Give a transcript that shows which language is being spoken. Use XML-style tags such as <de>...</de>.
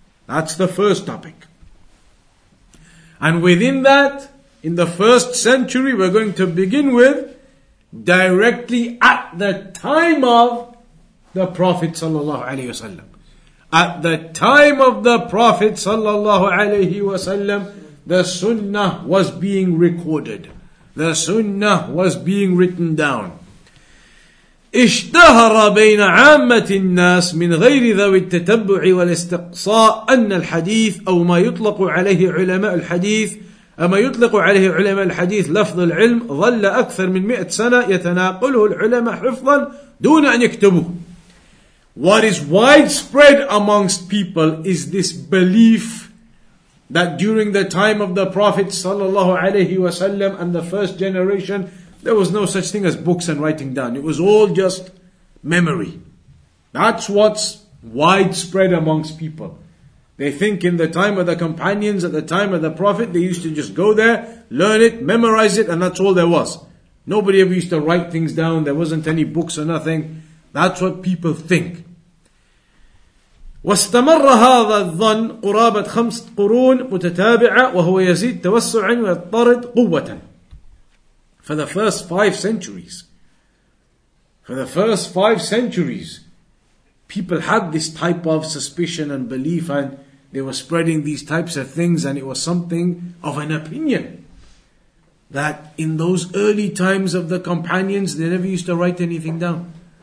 <en>That's the first topic. And within that, in the first century, we're going to begin with directly at the time of the Prophet sallallahu alaihi wasallam. At the time of the Prophet sallallahu alaihi wasallam, the sunnah was being recorded. The sunnah was being written down.</en> <ar>اشتهر بين عامة الناس من غير ذوي التتبع والاستقصاء أن الحديث أو ما يطلق عليه علماء الحديث أما يطلق عليه علماء الحديث لفظ العلم ظل أكثر من 100 سنة يتناقله العلماء حفظا دون أن يكتبه.</ar> <en>What is widespread amongst people is this belief that during the time of the Prophet sallallahu alaihi wasallam and the first generation, there was no such thing as books and writing down. It was all just memory. That's what's widespread amongst people. They think in the time of the companions, at the time of the Prophet, they used to just go there, learn it, memorize it, and that's all there was. Nobody ever used to write things down. There wasn't any books or nothing. That's what people think.</en> <ar>واستمر هذا الظن قرابة خمس قرون متتابعة وهو يزيد توسعا ويضطرد قوة</ar> <en>for the first 5 centuries. For the first 5 centuries, people had this type of suspicion and belief, and they were spreading these types of things, and it was something of an opinion. That in those early times of the companions, they never used to write anything down.</en>